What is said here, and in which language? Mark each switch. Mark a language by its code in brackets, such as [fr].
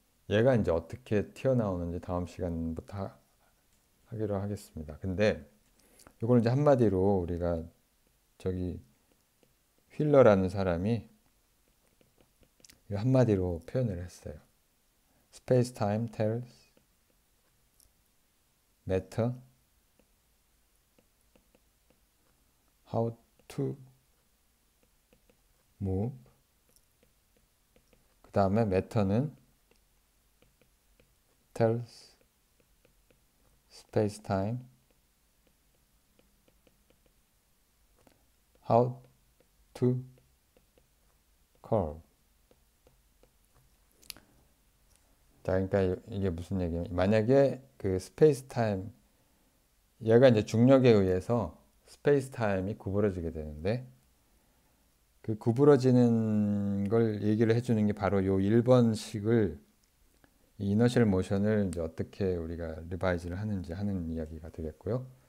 [ko] 얘가 이제 어떻게 튀어나오는지 다음 시간부터 하기로 하겠습니다. 근데 이걸 이제 한마디로 우리가 저기 휠러라는 사람이 한마디로 표현을 했어요. [en] Space time tells matter how to move. [ko] 그 다음에 [en] matter는 tells space time how to curve. [ko] 자, 그러니까 이게 무슨 얘기냐면, 만약에 그 스페이스 타임, 얘가 이제 중력에 의해서 스페이스 타임이 구부러지게 되는데, 그 구부러지는 걸 얘기를 해주는 게 바로 요 1번식을, 이너셜 모션을 이제 어떻게 우리가 리바이즈를 하는지 하는 이야기가 되겠고요.